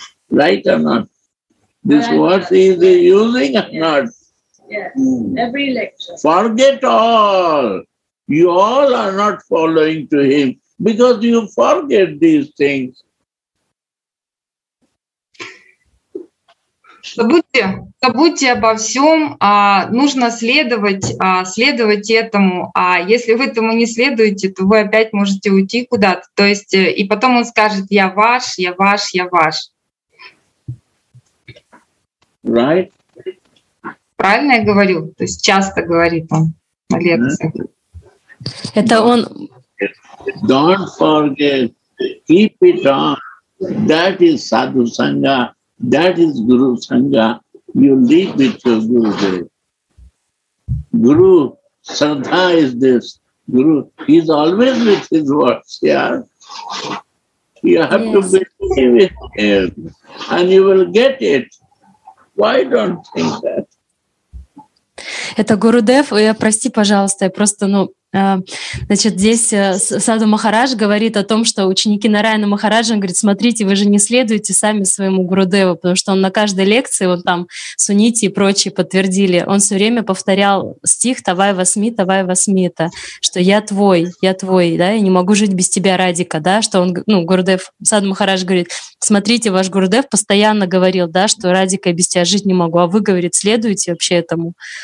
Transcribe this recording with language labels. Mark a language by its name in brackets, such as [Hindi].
[English] Right or not? This word is he using or not? Yes, every lecture. Forget all. You all are not following to him because you forget these things. [Russian] Забудьте, забудьте обо всем, нужно следовать этому. А если вы этому не следуете, то вы опять можете уйти куда-то. То есть, и потом он скажет: я ваш, я ваш, я ваш. [English] Right? [Russian] Правильно я говорю? То есть часто говорит он на лекциях. Это он. [English] Don't forget, keep it on. That is Sadhu Sangha. That is Guru Sangha. You live with your Guru there. Guru Sadha is this. Guru, he is always with his words, yeah? You have to believe in him and you will get it. Why don't you think that? [Russian] Это Гурудев, я прости, пожалуйста, я просто, ну, Значит, здесь Саду Махарадж говорит о том, что ученики Нараяна Махараджа, он говорит, смотрите, вы же не следуете сами своему Гурудеву, потому что он на каждой лекции, вот там сунити и прочие подтвердили, он все время повторял стих «Тавай васми, это», что я твой, да, я не могу жить без тебя, Радика, да, что он, ну, Гурудев, Саду Махарадж говорит, смотрите, ваш Гурудев постоянно говорил, да, что Радика, я без тебя жить не могу, а вы, говорит, следуете вообще этому?